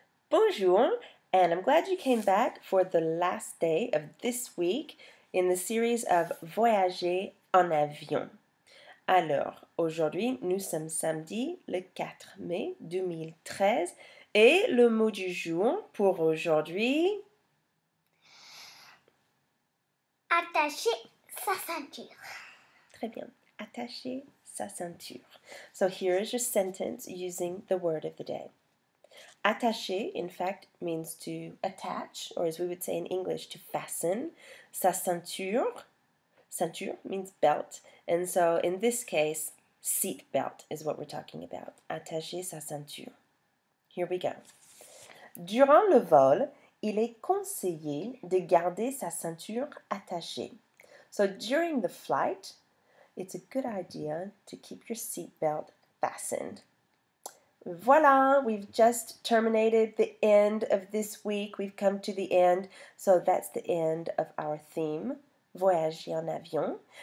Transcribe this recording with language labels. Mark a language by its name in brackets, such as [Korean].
[English] Bonjour, and I'm glad you came back for the last day of this week in the series of Voyager en avion. [French] Alors, aujourd'hui, nous sommes samedi, le 4 mai 2013, et le mot du jour pour aujourd'hui... Attacher sa ceinture. Très bien. Attacher sa ceinture. [English] So here is your sentence using the word of the day. Attaché, in fact, means to attach, or as we would say in English, to fasten. [French] Sa ceinture, [English] ceinture means belt. And so in this case, seat belt is what we're talking about. [French] Attaché sa ceinture. [English] Here we go. [French] Durant le vol, il est conseillé de garder sa ceinture attachée. [English] So during the flight, it's a good idea to keep your seat belt fastened. Voilà, we've just terminated the end of this week. We've come to the end. So that's the end of our theme, Voyager en avion.